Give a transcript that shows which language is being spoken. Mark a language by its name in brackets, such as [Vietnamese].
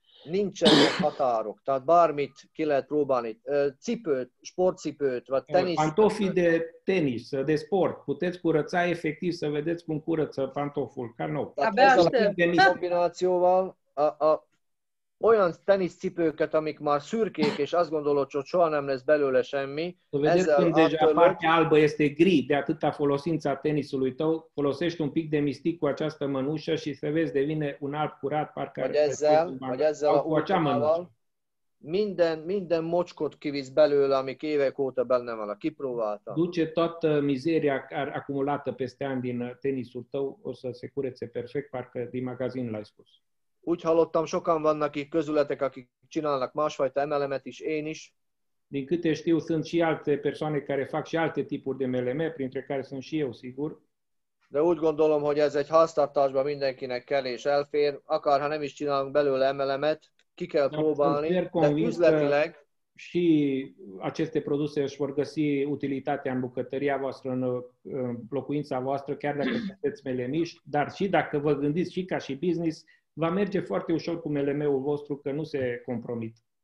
[Hungarian] Nincsen határok, tehát bármit ki lehet próbálni. Cipőt, sportcipőt, vagy tenisz... [Romanian] Pantofi de tenis, de sport. Puteți curăța efectiv, să vedeți cum curăță pantoful, ca nou. [Hungarian] Ezzel a kombinációval olyan teniszcipőket, amik már szürkék, és azt gondolod, hogy soha nem lesz belőle semmi. [Romanian] Vedeți când deja a partea albă este gri, de atâta folosința tenisului tău, folosești un pic de mistic cu această mănușă și se vezi, devine un alb curat, parcă ar cu acea mănușă. [Hungarian] Minden mocskot kivisz belőle, ami évek óta benne van, a kipróbáltam. [Romanian] Duce toată mizeria acumulată peste ani din tenisul tău, o să se curețe perfect, parcă din magazin l-ai spus. [Hungarian] Úgy hallottam, sokan vannak itt közületek, akik csinálnak másfajta MLM-et is, én is. [Romanian] Din câte știu, sunt și alte persoane care fac și alte tipuri de MLM, printre care sunt și eu, sigur. [Hungarian] De úgy gondolom, hogy ez egy háztartásban mindenkinek kell és elfér, akárha nem is csinálunk belőle MLM-et, ki kell próbálni, de üzletileg... [Romanian] Și aceste produse își vor găsi utilitatea în bucătăria voastră, în locuința voastră, chiar dacă sunteți MLM-iști, dar și dacă vă gândiți și ca și business, va merge foarte ușor cu MLM-ul vostru, că nu se compromit.